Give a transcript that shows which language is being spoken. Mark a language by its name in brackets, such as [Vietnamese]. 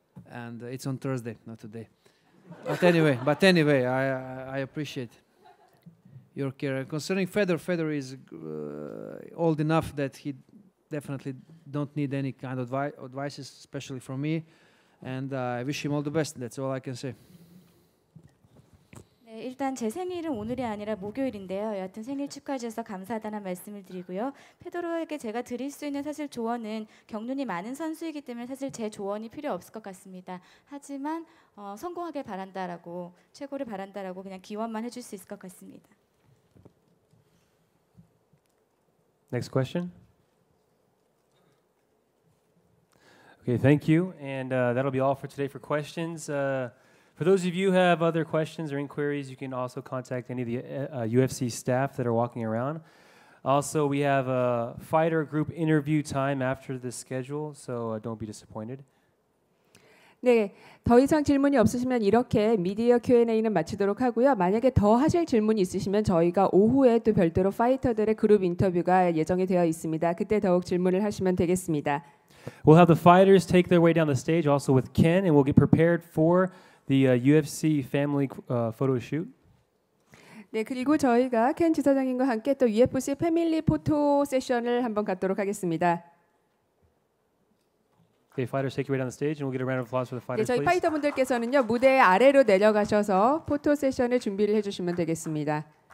[English] And it's on Thursday, not today. but anyway, I appreciate your care. Concerning Fedor is old enough that he definitely don't need any kind of advice, especially from me. And I wish him all the best. That's all I can say. [Korean] 일단 제 생일은 오늘이 아니라 목요일인데요. 여하튼 생일 축하해 주셔서 감사하다는 말씀을 드리고요. 페도로에게 제가 드릴 수 있는 사실 조언은 경륜이 많은 선수이기 때문에 사실 제 조언이 필요 없을 것 같습니다. 하지만 성공하길 바란다라고 최고를 바란다라고 그냥 기원만 해줄 수 있을 것 같습니다. [English] Next question. Okay, thank you. And that'll be all for today for questions. For those of you who have other questions or inquiries, you can also contact any of the UFC staff that are walking around. Also, we have a fighter group interview time after the schedule, so don't be disappointed. [Korean] 네, 더 이상 질문이 없으시면 이렇게 미디어 Q&A는 마치도록 하고요. 만약에 더 하실 질문이 있으시면 저희가 오후에 또 별도로 파이터들의 그룹 인터뷰가 예정이 되어 있습니다. 그때 더욱 질문을 하시면 되겠습니다. [English] We'll have the fighters take their way down the stage also with Ken, and we'll get prepared for the UFC family photo shoot. [Korean] 네, 그리고 저희가 켄 지사장님과 함께 또 UFC 패밀리 포토 세션을 한번 갖도록 하겠습니다. [English] Okay, fighters, take your way down the stage, and we'll get a round of applause for the fighters. [Korean] 네, 저희 파이터 분들께서는요 무대 아래로 내려가셔서 포토 세션을 준비를 해주시면 되겠습니다.